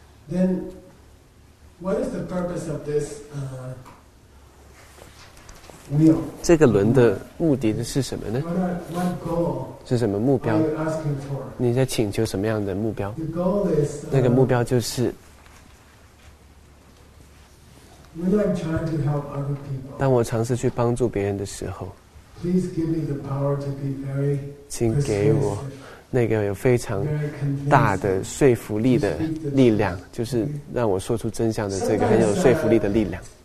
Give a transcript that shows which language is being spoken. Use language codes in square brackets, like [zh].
[en] Then, what is the purpose of this wheel? [zh] 这个轮的目的是什么呢？ [en] What goal? [zh] 是什么目标？ [en] Are you asking for? [zh] 你在请求什么样的目标？ [en] The goal is, [zh] 那个目标就是。 [en] When I'm trying to help other people. [zh] 当我尝试去帮助别人的时候。 [en] Please give me the power to be very persuasive, [zh] 请给我那个有非常大的说服力的力量，就是让我说出真相的这个很有说服力的力量。